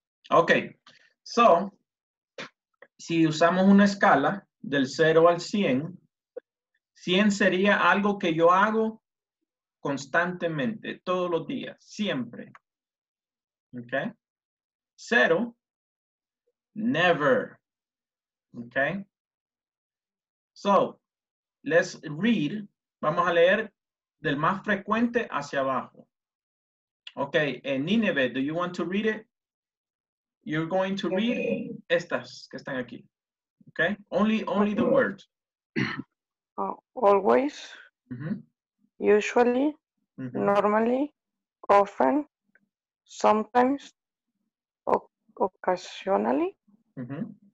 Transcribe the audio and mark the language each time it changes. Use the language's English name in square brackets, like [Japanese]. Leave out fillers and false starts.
[Spanish] Okay, so, si usamos una escala del 0 al 100, 100 sería algo que yo hago constantemente, todos los días, siempre. [English] Okay? Cero, never. Okay? So, let's read. [Spanish] Vamos a leer del más frecuente hacia abajo. [English] Okay, Nineveh, do you want to read it? You're going to read [Spanish] estas que están aquí. [English] Okay? Only the words. Always. Mm-hmm. Usually. Mm-hmm. Normally, often, sometimes, occasionally, mm-hmm.